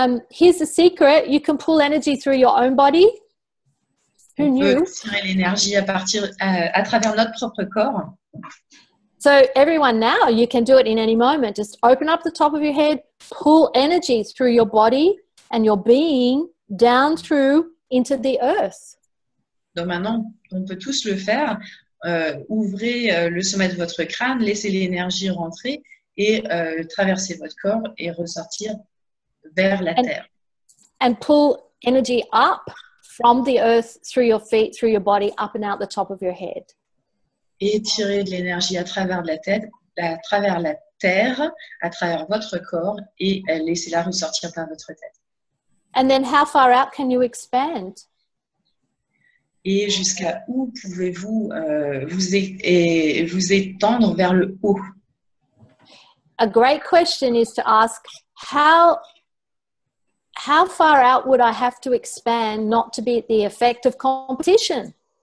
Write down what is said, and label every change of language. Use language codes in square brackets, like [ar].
[en] Here's the secret, you can pull energy through your own body. Who on knew? [fr] Peut tirer l'énergie à travers notre propre corps. [en] So everyone now, you can do it in any moment. Just open up the top of your head, pull energy through your body and your being down through into the earth. [fr] Donc maintenant, on peut tous le faire. Ouvrez le sommet de votre crâne, laissez l'énergie rentrer et traverser votre corps et ressortir vers la terre. [en] And pull energy up from the earth through your feet, through your body, up and out the top of your head. [fr] Et tirer de l'énergie à travers la tête, à travers la terre, à travers votre corps et laissez-la ressortir par votre tête. [en] And then how far out can you expand? [fr] Et jusqu'à où pouvez-vous vous étendre vers le haut? [en] A great question is to ask how far out would I have to expand not to be the effect of competition?